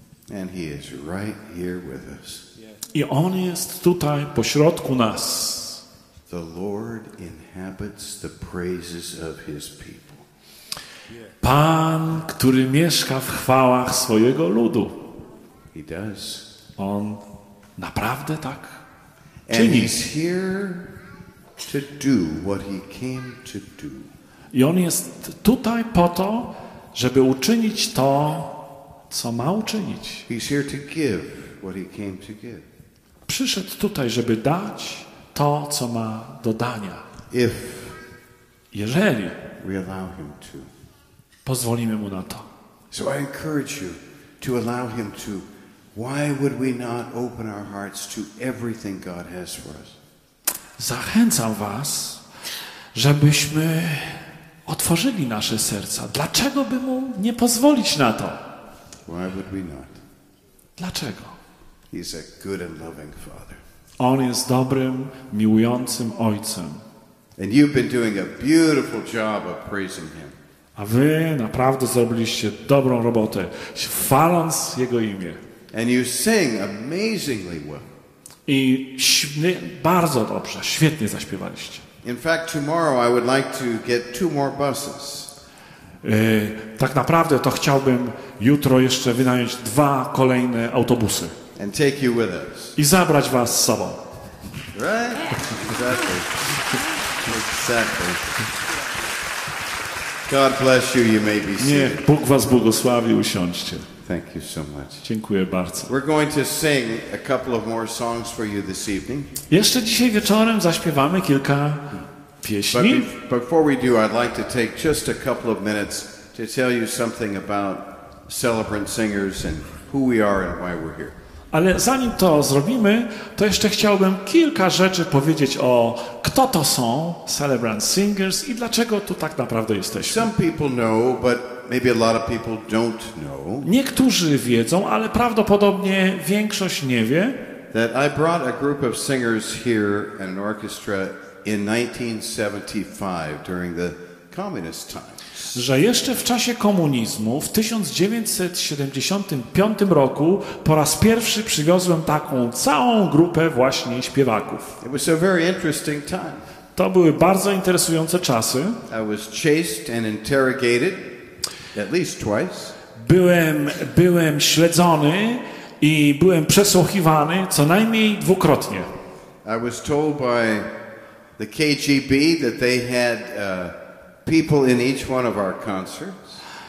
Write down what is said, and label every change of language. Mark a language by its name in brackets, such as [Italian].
[English] And he is right here with us. [Polish] I on jest tutaj pośrodku nas. [English] The Lord inhabits the praises of his people. [Polish] Pan, który mieszka w chwałach swojego ludu. [English] He does. [Polish] On naprawdę tak czyni. [English] And he's here to do what he came to do. [Polish] I on jest tutaj po to, żeby uczynić to, co ma uczynić. [English] He's here to give what he came to give. [Polish] Przyszedł tutaj, żeby dać to, co ma do dania. [English] If [Polish] jeżeli [English] we allow him to. [Polish] Pozwolimy mu na to. [English] So I encourage you to allow him to. Why would we not open our hearts to everything God has for us? [Polish] Zachęcam was, żebyśmy otworzyli nasze serca. Dlaczego by mu nie pozwolić na to? [English] Why would we not? [Polish] Dlaczego? [English] He's a good and loving father. [Polish] On jest dobrym, miłującym ojcem. [English] And you've been doing a beautiful job of praising him. [Polish] A wy naprawdę zrobiliście dobrą robotę, chwaląc jego imię. [English] And you sing amazingly well. [Polish] I bardzo dobrze, świetnie zaśpiewaliście. [English] In fact, tomorrow I would like to get two more buses. [Polish] Tak naprawdę to chciałbym jutro jeszcze wynająć dwa kolejne autobusy [English] and take you with us. [Polish] I zabrać was z sobą. [English] Right? Exactly. God bless you, you may be seated. [Polish] Nie, Bóg was błogosławi, usiądźcie. [English] Thank you so much. [Polish] Dziękuję bardzo. [English] We're going to sing a couple of more songs for you this evening. [Polish] Jeszcze dzisiaj wieczorem zaśpiewamy kilka pieśni. [English] But before we do, I'd like to take just a couple of minutes to tell you something about Celebrant Singers and who we are and why we're here. [Polish] Ale zanim to zrobimy, to jeszcze chciałbym kilka rzeczy powiedzieć o kto to są Celebrant Singers i dlaczego tu tak naprawdę jesteśmy. [English] Some people know, but maybe a lot of people don't know. [Polish] Niektórzy wiedzą, ale prawdopodobnie większość nie wie. [English] That I brought a group of singers here and an orchestra in 1975 during the communist times. [Polish] Że jeszcze w czasie komunizmu, w 1975 roku, po raz pierwszy przywiozłem taką całą grupę właśnie śpiewaków. [English] It was a very interesting time. [Polish] To były bardzo interesujące czasy. [English] I was chased and interrogated at least twice. [Polish] Byłem śledzony i byłem przesłuchiwany co najmniej dwukrotnie. [English] I was told by the KGB that they had people in each one of our concerts.